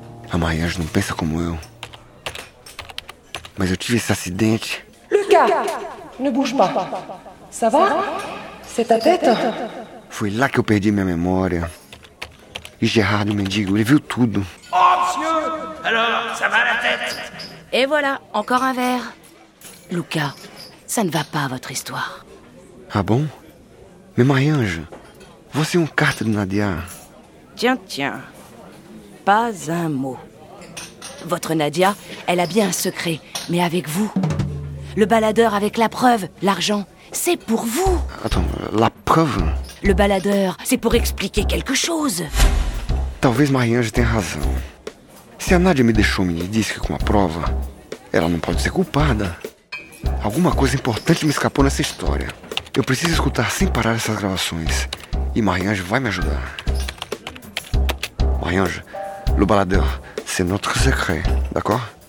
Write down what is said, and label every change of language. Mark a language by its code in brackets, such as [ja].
[pt] A Marie-Ange não pensa como eu. Mas eu tive esse acidente. [fr] Lucas, ne bouge pas. Ça va? C'est ta tête? [pt] Foi lá que eu perdi minha memória. E Gerard, o mendigo, ele viu tudo. [fr] Oh, monsieur! Alors, ça va la tête? Et voilà, encore un verre. Lucas, ça ne va pas votre histoire. Ah bon? [pt] Mais Marie-Ange, você é um carta de Nadia. [fr] Tiens, tiens. Pas un mot. Votre Nadia, elle a bien un secret, mais avec vous. Le baladeur avec la preuve, l'argent, c'est pour vous. Attends, la preuve? Le baladeur, c'est pour expliquer quelque chose. [pt] Talvez Marie-Ange tenha razão. Se a Nadia me deixou me disse que com a prova, ela não pode ser culpada. Alguma coisa importante me escapou nessa história. Eu preciso escutar sem parar essas gravações. E Marie-Ange vai me ajudar. [fr] Marie-Ange, le baladeur, c'est notre secret, d'accord?